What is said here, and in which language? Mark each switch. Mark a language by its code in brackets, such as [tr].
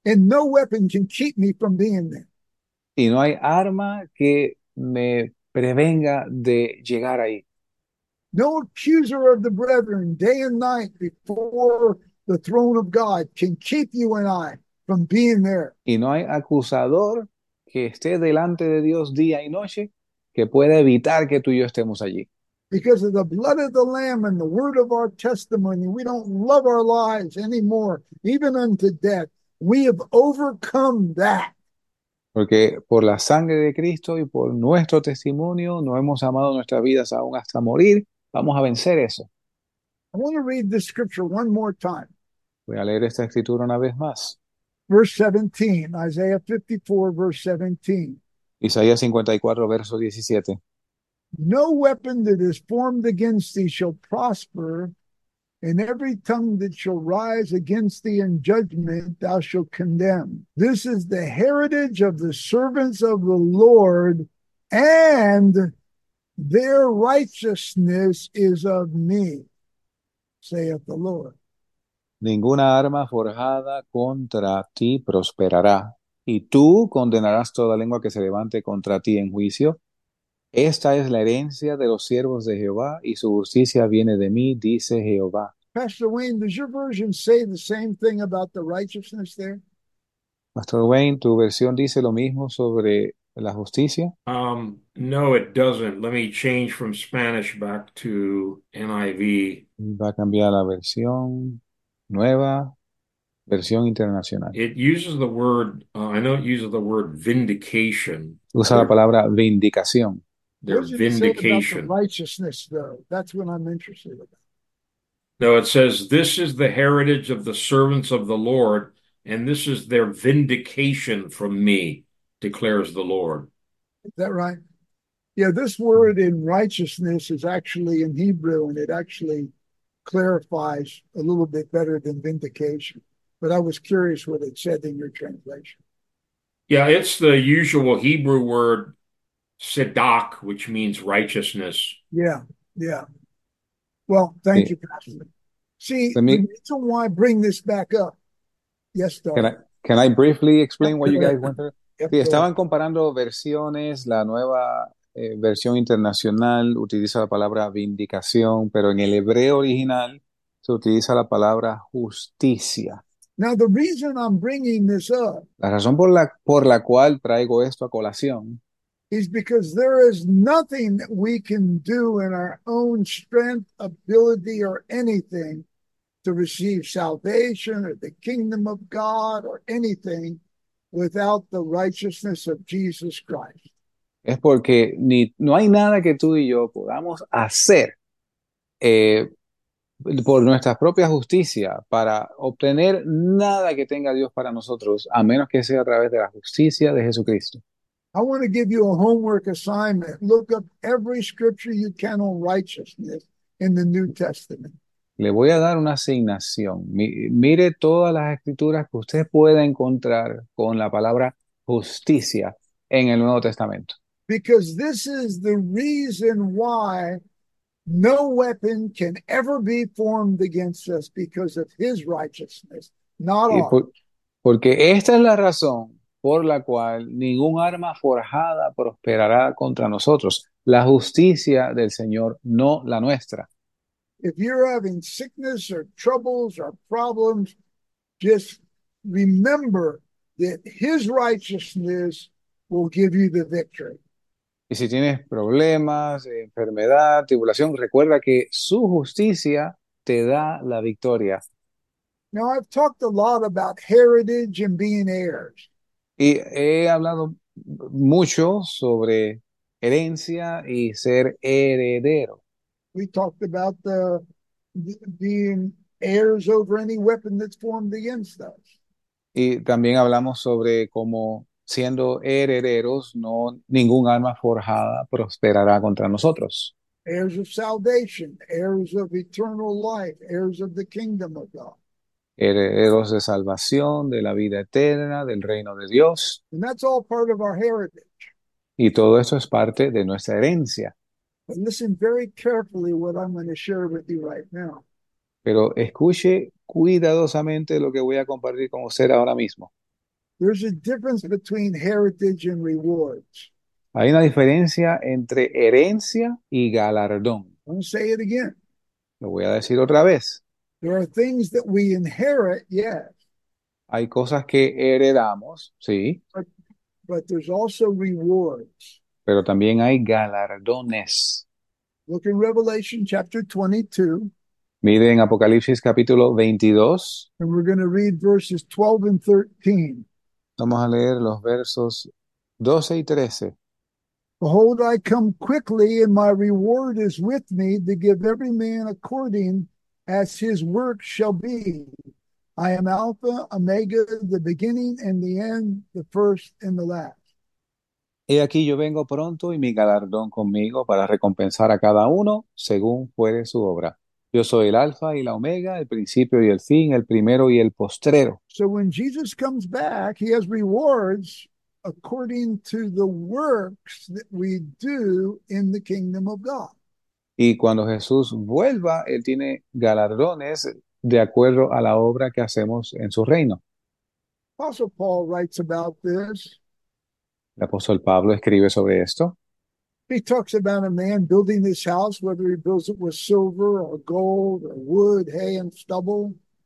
[en] And no weapon can keep me from being there. [es] Y no hay arma que me prevenga de llegar ahí. [en] No accuser of the brethren, day and night before the throne of God, can keep you and I from being there. [es] Y no hay acusador que esté delante de Dios día y noche que pueda evitar que tú y yo estemos allí. [en] Because of the blood of the Lamb and the word of our testimony, we don't love our lives anymore, even unto death. We have overcome that. [es] Porque por la sangre de Cristo y por nuestro testimonio no hemos amado nuestras vidas aún hasta morir. Vamos a vencer eso. [en] I want to read this scripture one more time. [es] Voy a leer esta escritura una vez más. [en] Verse 17, Isaiah 54, verse 17. [es] Isaías 54, verso 17. [en] No weapon that is formed against thee shall prosper, and every tongue that shall rise against thee in judgment thou shalt condemn. This is the heritage of the servants of the Lord, and their righteousness is of me, saith the Lord. [es] Ninguna arma forjada contra ti prosperará, y tú condenarás toda lengua que se levante contra ti en juicio. Esta es la herencia de los siervos de Jehová, y su justicia viene de mí, dice Jehová. [en] Pastor Wayne, does your version say the same thing about the righteousness there? [es] Pastor Wayne, ¿tu versión dice lo mismo sobre la justicia? [en] No, it doesn't. Let me change from Spanish back to NIV. [es] Va a cambiar la versión. Nueva versión internacional. [en] It uses the word, I know it uses the word vindication. [es] Usa la palabra vindicación. [en] What Their does it say about the vindication. righteousness, though? That's what I'm interested about. No, it says, this is the heritage of the servants of the Lord, and this is their vindication from me, declares the Lord. Is that right? Yeah, this word in righteousness is actually in Hebrew, and it actually clarifies a little bit better than vindication. But I was curious what it said in your translation. Yeah, it's the usual Hebrew word tzedak, which means righteousness. Well, thank you, [es] Sí. [en] Pastor. See, Let the me. reason why I bring this back up. Yes, Can darling. I briefly explain what you guys went through? Yep, [es] Sí, [en] go ahead. [es] estaban comparando versiones. La nueva versión internacional utiliza la palabra vindicación, pero en el hebreo original se utiliza la palabra justicia. [en] Now, the reason I'm bringing this up [es] La razón por la cual traigo esto a colación [en] is because there is nothing that we can do in our own strength, ability, or anything to receive salvation or the kingdom of God or anything without the righteousness of Jesus Christ. [es] es porque no hay nada que tú y yo podamos hacer por nuestra propia justicia para obtener nada que tenga Dios para nosotros, a menos que sea a través de la justicia de Jesucristo. [en] I want to give you a homework assignment. Look up every scripture you can on righteousness in the New Testament. [es] Le voy a dar una asignación. Mire todas las escrituras que usted pueda encontrar con la palabra justicia en el Nuevo Testamento. [en] Because this is the reason why no weapon can ever be formed against us because of his righteousness, not [es] Y [en] ours. [es] porque esta es la razón por la cual ningún arma forjada prosperará contra nosotros, la justicia del Señor, no la nuestra. [en] If you're having sickness or troubles or problems, just remember that his righteousness will give you the victory. [es] Y si tienes problemas, enfermedad, tribulación, recuerda que su justicia te da la victoria. [en] Now, I've talked a lot about heritage and being heirs. [es] Y he hablado mucho sobre herencia y ser heredero. [en] We talked about the being heirs over any weapon that's formed against us. [es] Y también hablamos sobre cómo siendo herederos, no ningún arma forjada prosperará contra nosotros. [en] Heirs of salvation, heirs of eternal life, heirs of the kingdom of God. [es] Herederos de salvación, de la vida eterna, del reino de Dios. [en] And that's all part of our heritage. [es] Y todo eso es parte de nuestra herencia. [en] But listen very carefully what I'm going to share with you right now. [es] Pero escuche cuidadosamente lo que voy a compartir con usted ahora mismo. [en] There's a difference between heritage and rewards. [es] Hay una diferencia entre herencia y galardón. [en] I'm going to say it again. [es] Lo voy a decir otra vez. [en] There are things that we inherit, yes. [es] Hay cosas que heredamos, sí, [en] But there's also rewards. [es] pero también hay galardones. [en] Look in Revelation chapter 22. [es] Miren Apocalipsis capítulo 22. [en] And we're going to read verses 12 and 13. [es] Vamos a leer los versos 12 y 13. [en] Behold, I come quickly, and my reward is with me to give every man according as his work shall be. I am Alpha, Omega, the beginning and the end, the first and the last. [es] He aquí yo vengo pronto y mi galardón conmigo para recompensar a cada uno según fuere su obra. Yo soy el Alfa y la Omega, el principio y el fin, el primero y el postrero. [en] So when Jesus comes back, he has rewards according to the works that we do in the kingdom of God. [es] Y cuando Jesús vuelva, él tiene galardones de acuerdo a la obra que hacemos en su reino. [en] Apostle Paul writes about this. [es] El apóstol Pablo escribe sobre esto. [en] He talks about a man building his house, whether he builds it with silver or gold or wood, hay, and stubble.